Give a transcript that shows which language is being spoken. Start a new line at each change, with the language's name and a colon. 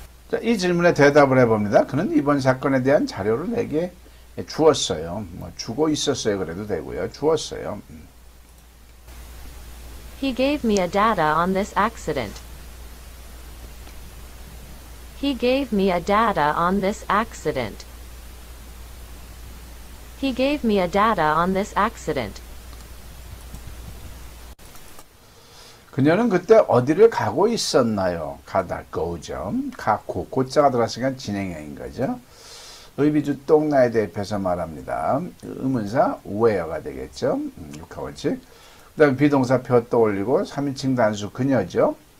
Korean: 자, 이 질문에 대답을 해봅니다. 그는 이번 사건에 대한 자료를 내게 주었어요. 뭐 주고 있었어요 그래도 되고요. 주었어요.
English: He gave me a data on this accident. He gave me a data on this accident. He gave me a data on this accident.
Korean: 그녀는 그때 어디를 가고 있었나요? 가다, go죠. 가고, 고자가 들어갔으니까 진행형인 거죠. 의비주 똥나에 대입해서 말합니다. 의문사 where가 되겠죠. 육하원칙. 그 다음 비동사 표 떠올리고 3인칭 단수 그녀죠.